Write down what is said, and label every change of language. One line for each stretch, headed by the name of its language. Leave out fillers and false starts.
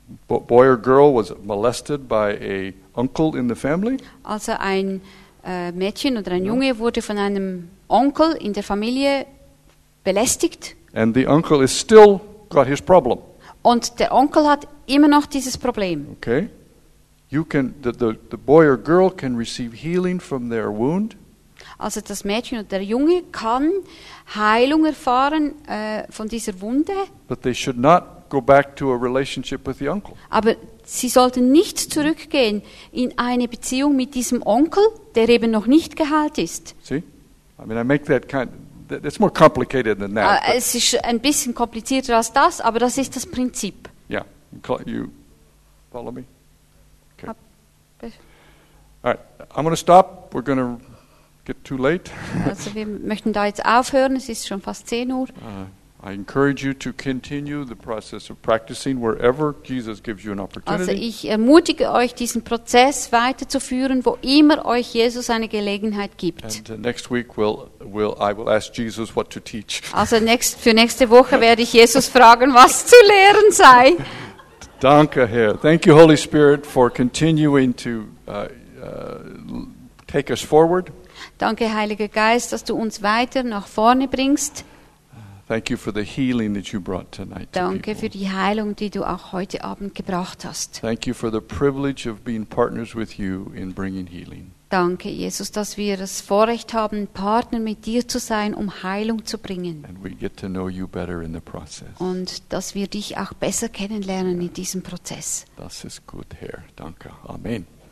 English: A boy or girl was molested by a uncle in the family.
German: Also ein Mädchen oder ein Junge wurde von einem Onkel in der Familie belästigt.
English: And the uncle is still got his problem.
German: Und der Onkel hat immer noch dieses Problem.
English: Okay. You can the boy or girl can receive healing from their wound.
German: Also das Mädchen oder der Junge kann Heilung erfahren von dieser Wunde.
English: But they should not go back to a relationship with the uncle.
German: Aber sie sollten nicht zurückgehen in eine Beziehung mit diesem Onkel, der eben noch nicht geheilt ist.
English: See? I mean, I make that kind of, that's more complicated than that.
German: Es ist ein bisschen komplizierter als das, aber das ist das Prinzip.
English: Yeah, you follow me? Okay. Alright, I'm going to stop. We're going to get too late.
German: Also wir möchten da jetzt aufhören, es ist schon fast 10 Uhr.
English: I encourage you to continue the process of practicing wherever Jesus gives you an opportunity.
German: Also, ich ermutige euch, diesen Prozess weiterzuführen, wo immer euch Jesus eine Gelegenheit gibt.
English: And next week I will ask Jesus what to teach.
German: Also für nächste Woche werde ich Jesus fragen, was zu lehren sei. Danke, Herr.
English: Thank you, Holy Spirit, for continuing to take us forward.
German: Danke, Heiliger Geist, dass du uns weiter nach vorne bringst.
English: Thank you for the healing that you brought tonight.
German: Danke für die Heilung, die du auch heute Abend gebracht hast.
English: Thank you for the privilege of being partners with you in bringing healing.
German: Danke, Jesus, dass wir das Vorrecht haben, Partner mit dir zu sein, um Heilung zu bringen.
English: And we get to know you better in the process.
German: Und dass wir dich auch besser kennenlernen in diesem Prozess. Das ist gut, Herr. Danke. Amen.